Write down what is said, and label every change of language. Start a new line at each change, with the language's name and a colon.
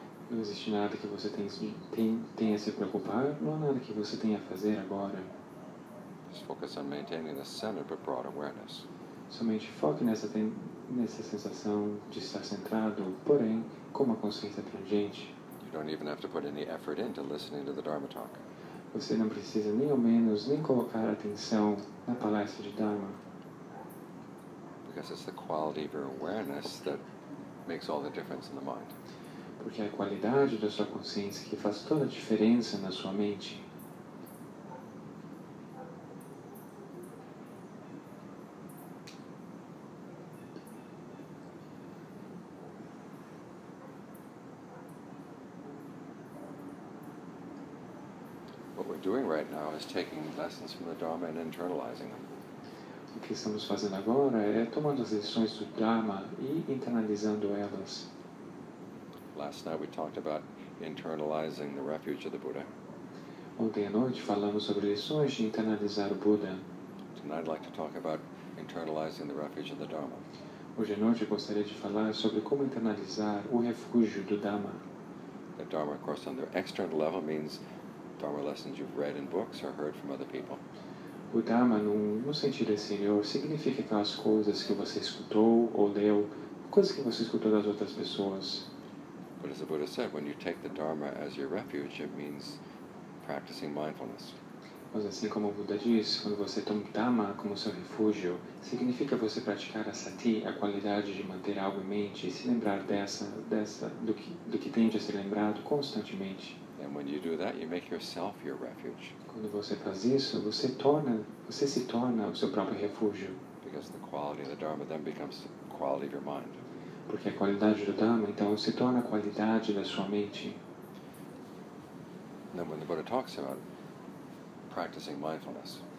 Portuguese: Não existe nada que você tenha a se preocupar, não há nada que você tenha a fazer agora.
English: Just focus on maintaining the center but broad awareness.
Portuguese: Somente foque nessa sensação de estar centrado, porém, com uma consciência abrangente.
English: You don't even have to put any effort into listening to the Dharma talk.
Portuguese: Você não precisa nem ao menos nem colocar atenção na palestra de Dharma.
English: because it's the quality of your awareness that makes all the difference in the mind.
Portuguese: Porque é a qualidade da sua consciência que faz toda a diferença na sua mente.
English: Doing right now is taking lessons from the Dharma and internalizing them.
Portuguese: O que estamos fazendo agora é tomando as lições do Dharma e internalizando elas.
English: Last night we talked about internalizing the refuge of the Buddha.
Portuguese: Ontem à noite falamos sobre lições de internalizar o Buddha.
English: Tonight I'd like to talk about internalizing the refuge of the Dharma.
Portuguese: Hoje à noite eu gostaria de falar sobre como internalizar o refúgio do Dharma.
English: The Dharma, of course, on the external level means Dharma lessons you've read in books or heard from other people.
Portuguese: O Dharma, no sentido exterior, significa aquelas coisas que você escutou ou leu, coisas que você escutou das outras pessoas.
English: But as the Buddha said, when you take the Dharma as your refuge, it means practicing mindfulness.
Portuguese: Mas assim como o Buda diz, quando você toma o Dharma como seu refúgio, significa você praticar a sati, a qualidade de manter algo em mente e se lembrar do que tende a ser lembrado constantemente.
English: And when you do that, you make yourself your refuge.
Portuguese: Quando você faz isso, você se torna o seu próprio refúgio.
English: Because the quality of the Dharma then becomes the quality of your mind.
Portuguese: Porque a qualidade do Dharma então se torna a qualidade da sua mente.
English: Then when the Buddha talks about practicing mindfulness.